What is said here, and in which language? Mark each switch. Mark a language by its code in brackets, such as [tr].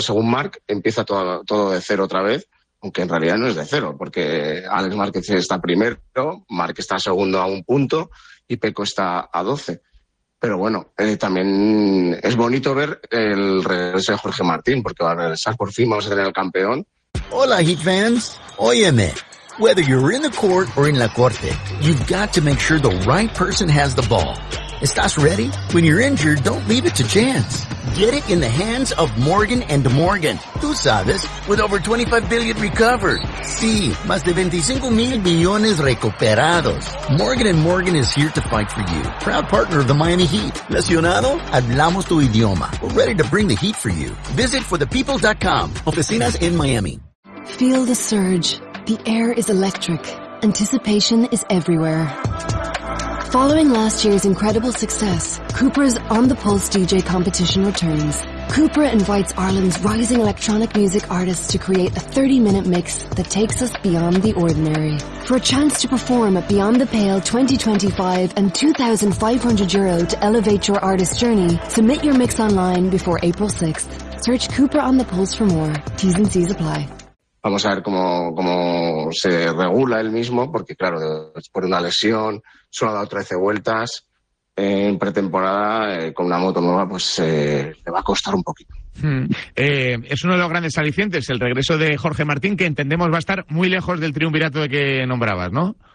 [es] Según Marc, empieza todo de cero otra vez, aunque en realidad no es de cero, porque Álex Márquez está primero, Marc está segundo a un punto y Peco está a 12. Pero bueno, también es bonito ver el regreso de Jorge Martín, porque va a regresar por fin, vamos a tener al campeón. Hola, [en] Heat fans. [es] Óyeme, [en] whether you're in the court or in [es] la corte, [en] you've got to make sure the right person has the ball. [es] ¿Estás [en] ready? When you're injured, don't leave it to chance. Get it in the hands of Morgan and Morgan. [es] Tú sabes, [en] with over 25 billion recovered. [es] Sí, más de 25 mil millones recuperados. [en] Morgan and Morgan is here to fight for you. Proud partner of the Miami Heat. [es] Lesionado? Hablamos tu idioma. [en] We're ready to bring the heat for you. Visit forthepeople.com. [es] Oficinas [en] in Miami. Feel the surge. The air is electric. Anticipation is everywhere. Following last year's incredible success, Cooper's On the Pulse DJ competition returns. Cooper invites Ireland's rising electronic music artists to create a 30-minute mix that takes us beyond the ordinary. For a chance to perform at Beyond the Pale 2025 and €2,500 to elevate your artist journey, submit your mix online before April 6th. Search Cooper On the Pulse for more. T's and C's apply. [es] Vamos a ver cómo se regula él mismo, porque claro, después de una lesión, solo ha dado 13 vueltas en pretemporada, con una moto nueva, pues le va a costar un poquito. Es uno de los grandes alicientes, el regreso de Jorge Martín, que entendemos va a estar muy lejos del triunvirato de que nombrabas, ¿no?